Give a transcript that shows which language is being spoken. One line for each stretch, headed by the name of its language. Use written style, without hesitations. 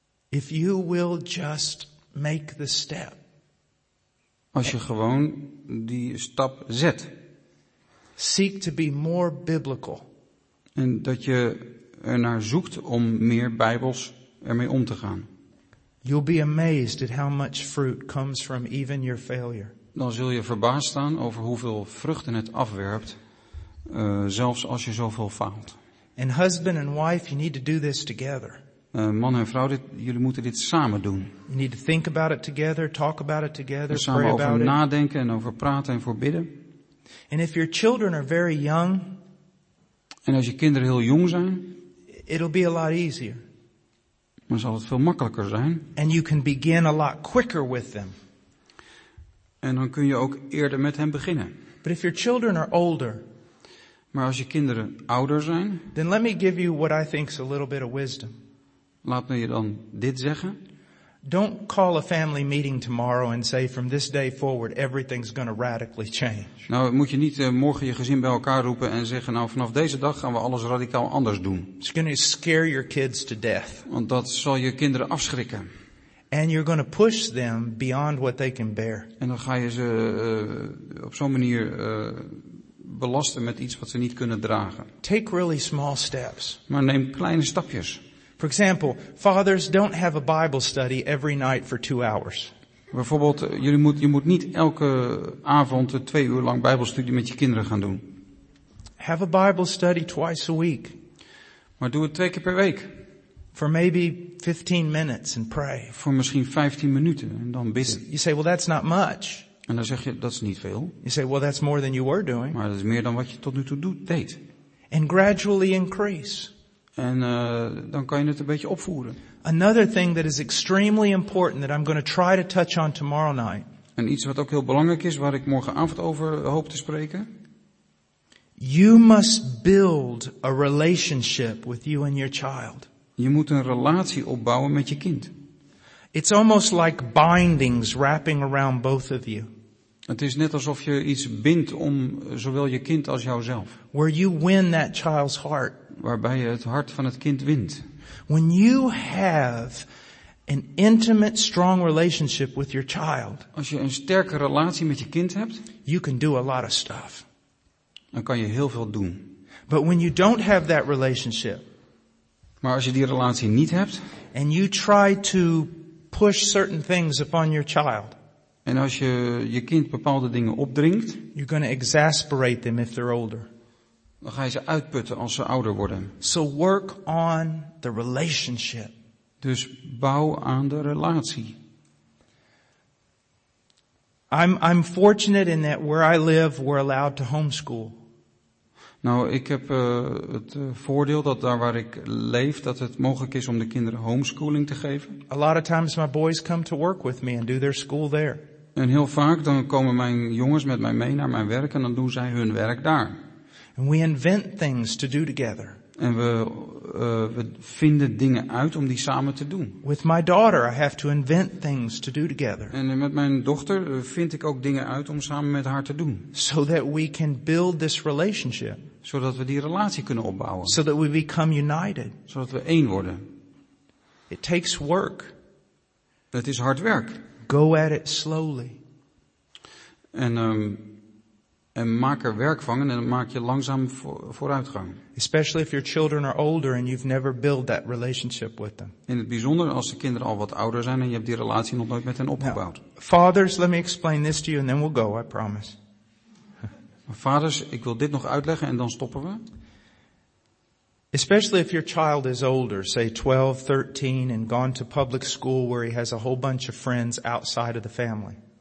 English: If you will just make the step.
Dutch: Als je gewoon die stap zet.
English: Seek to be more biblical.
Dutch: En dat je ernaar zoekt om meer Bijbels ermee om te gaan.
English: You'll be amazed at how much fruit comes from even your failure.
Dutch: Dan zul je verbaasd staan over hoeveel vruchten het afwerpt, zelfs als je zoveel faalt.
English: And husband and wife, you need to do this together.
Dutch: Man en vrouw, jullie moeten dit samen doen.
English: You need to think about it together, talk about it together, pray about it.
Dutch: Samen over nadenken en over praten en voor bidden.
English: And if your children are very young,
Dutch: en als je kinderen heel jong zijn,
English: it'll be a lot easier.
Dutch: Dan zal het veel makkelijker zijn.
English: And you can begin a lot quicker with them.
Dutch: En dan kun je ook eerder met hen beginnen.
English: But if your children are older,
Dutch: maar als je kinderen ouder zijn,
English: then let me give you what I think is a little bit of wisdom.
Dutch: Laat me je dan dit zeggen.
English: Don't call a family meeting tomorrow and say from this day forward everything's going to radically change.
Dutch: Nou, moet je niet morgen je gezin bij elkaar roepen en zeggen nou vanaf deze dag gaan we alles radicaal anders doen.
English: It's going to scare your kids to death.
Dutch: Want dat zal je kinderen afschrikken.
English: And you're going to push them beyond what they can bear.
Dutch: En dan ga je ze op zo'n manier belasten met iets wat ze niet kunnen dragen.
English: Take really small steps.
Dutch: Maar neem kleine stapjes.
English: For example, fathers don't have a Bible study every night for 2 hours.
Dutch: Bijvoorbeeld, je moet niet elke avond een 2 uur lang Bijbelstudie met je kinderen gaan doen.
English: Have a Bible study twice a week.
Dutch: Maar doe het 2 keer per week.
English: For maybe 15 minutes and pray.
Dutch: Voor misschien 15 minuten en dan bidden.
English: You say, well, that's not much.
Dutch: En dan zeg je, dat is niet veel.
English: You say, well, that's more than you were doing.
Dutch: Maar dat is meer dan wat je tot nu toe deed.
English: And gradually increase.
Dutch: En dan kan je het een beetje opvoeren.
English: Another thing that is extremely important that I'm going to try to touch on tomorrow night.
Dutch: En iets wat ook heel belangrijk is, waar ik morgenavond over hoop te spreken.
English: You must build a relationship with you and your child.
Dutch: Je moet een relatie opbouwen met je kind.
English: It's almost like bindings wrapping around both of you.
Dutch: Het is net alsof je iets bindt om zowel je kind als jouzelf.
English: Where you win that child's heart.
Dutch: waarbij je het hart van het kind wint.
English: When you have an intimate, strong relationship with your child,
Dutch: als je een sterke relatie met je kind hebt,
English: you can do a lot of stuff.
Dutch: Dan kan je heel veel doen.
English: But when you don't have that relationship,
Dutch: maar als je die relatie niet hebt,
English: and you try to push certain things upon your child,
Dutch: en als je je kind bepaalde dingen opdringt,
English: you're going to exasperate them if they're older.
Dutch: Dan ga je ze uitputten als ze ouder worden.
English: So work on the relationship.
Dutch: Dus bouw aan de relatie.
English: I'm fortunate in that where I live, we're allowed to homeschool.
Dutch: Nou, ik heb het voordeel dat daar waar ik leef, dat het mogelijk is om de kinderen homeschooling te geven.
English: A lot of times my boys come to work with me and do their school there.
Dutch: En heel vaak dan komen mijn jongens met mij mee naar mijn werk en dan doen zij hun werk daar.
English: And we invent things to do together.
Dutch: En we vinden dingen uit om die samen te doen.
English: With my daughter, I have to invent things to do together.
Dutch: En met mijn dochter vind ik ook dingen uit om samen met haar te doen.
English: So that we can build this relationship.
Dutch: Zodat we die relatie kunnen opbouwen.
English: So that we become united.
Dutch: Zodat we één worden.
English: It takes work.
Dutch: Het is hard werk.
English: Go at it slowly.
Dutch: En maak er werk van en dan maak je langzaam vooruitgang.
English: Especially if your children are older and you've never built that relationship with them.
Dutch: In het bijzonder als de kinderen al wat ouder zijn en je hebt die relatie nog nooit met hen opgebouwd.
English: Now, fathers, let me explain this to you and then we'll go, I promise.
Dutch: Vaders, ik wil dit nog uitleggen en dan stoppen we.
English: Especially if your child is older, say 12, 13 and gone to public school where he has a whole bunch of friends outside of the family.